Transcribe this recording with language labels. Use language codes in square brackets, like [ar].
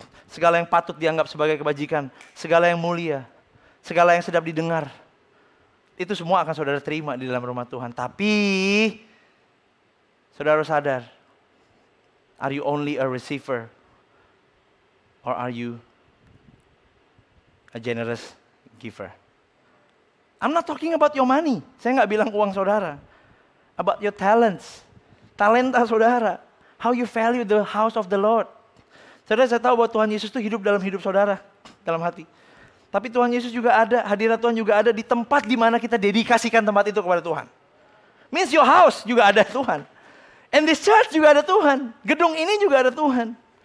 [id] Segala yang patut dianggap sebagai kebajikan. Segala yang mulia. Segala yang sedap didengar. Itu semua akan saudara terima di dalam rumah Tuhan. [en] Tapi, saudara sadar, are you only a receiver? Or are you a generous giver? I'm not talking about your money. Saya gak bilang uang saudara. About your talents. [id] Talenta saudara. [en] How you value the house of the Lord. [id] Saudara, saya tahu bahwa Tuhan Yesus itu hidup dalam hidup saudara. Dalam hati. Tapi Tuhan Yesus juga ada, hadirat Tuhan juga ada di tempat di mana kita dedikasikan tempat itu kepada Tuhan. Means your house juga ada Tuhan. And this church juga ada Tuhan. Gedung ini juga ada Tuhan.